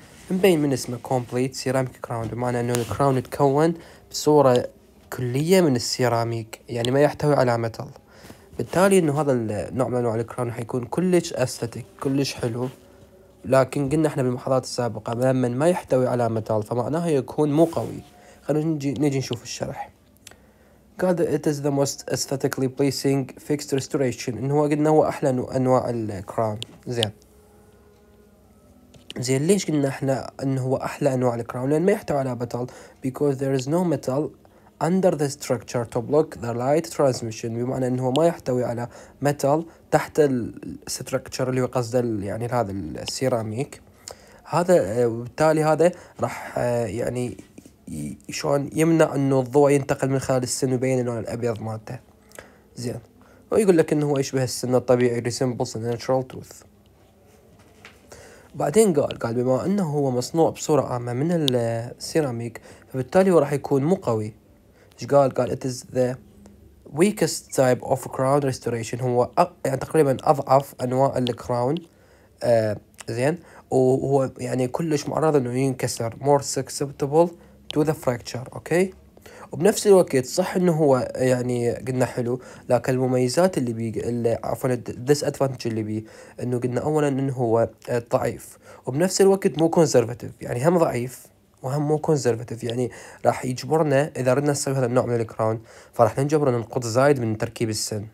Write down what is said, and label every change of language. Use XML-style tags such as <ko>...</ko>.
<ar>مبين من اسمه كومبليت سيراميك كراون، بمعنى انه الكراون يتكون بصورة كلية من السيراميك، يعني ما يحتوي على متل. بالتالي انه هذا النوع من انواع الكراون حيكون كلش استاتيك، كلش حلو. لكن قلنا احنا بالمحاضرات السابقة لما ما يحتوي على متل فمعناها يكون مو قوي. خلينا نجي نشوف الشرح. قال</ar> <en>it is the most aesthetically pleasing fixed restoration.</en> <ar>إن هو قلنا هو أحلى أنواع الكراون. زين ليش قلنا إحنا إنه هو أحلى أنواع الكراون؟ لأن ما يحتوي على بطل.</ar> <en>because there is no metal under the structure to block the light transmission.</en> <ar>بمعنى إنه هو ما يحتوي على metal تحت الستركتشر اللي هو قصد يعني هذا السيراميك. هذا وبالتالي هذا راح يعني شلون يمنع انه الضوء ينتقل من خلال السن وبين اللون الابيض مالته. زين ويقول لك انه هو يشبه السن الطبيعي،</ar> <en>resembles a natural tooth.</en> <ar>بعدين قال بما انه هو مصنوع بصورة عامة من السيراميك فبالتالي هو راح يكون مو قوي. ايش قال</ar> <en>it is the weakest type of crown restoration.</en> <ar>هو يعني تقريبا اضعف انواع الكراون. زين وهو يعني كلش معرض انه ينكسر،</ar> <en>more susceptible to the fracture.</en> <ar>اوكي وبنفس الوقت صح انه هو يعني قلنا حلو، لكن المميزات اللي بيه عفوا</ar> <en>this advantage</en> <ar>اللي بيه انه قلنا اولا انه هو ضعيف، وبنفس الوقت مو كونزرفاتيف، يعني هم ضعيف وهم مو كونزرفاتيف، يعني راح يجبرنا اذا ردنا نسوي هذا النوع من الكراون فراح نجبر ننقض زايد من تركيب السن.</ar>